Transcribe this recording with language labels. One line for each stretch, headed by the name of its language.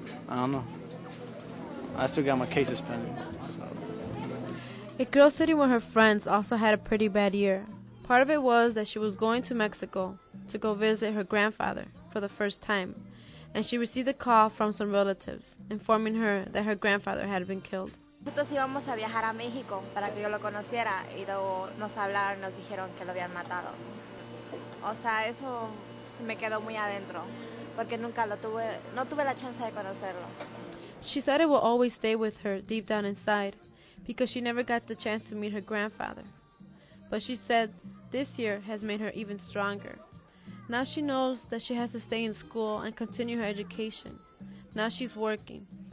English: I don't know. I still got my cases pending. So. A girl sitting with her friends also had a pretty bad year. Part of it was that she was going to Mexico to go visit her grandfather for the first time. And she received a call from some relatives informing her that her grandfather had been killed.
Spanish: Nosotros íbamos a viajar a México para que yo lo conociera y luego nos hablaron, nos dijeron que lo habían matado. O sea, eso se me quedó muy adentro porque nunca lo tuve, no tuve la chance de conocerlo.
English: She said it will always stay with her deep down inside because she never got the chance to meet her grandfather. But she said this year has made her even stronger. Now she knows that she has to stay in school and continue her education. Now she's working.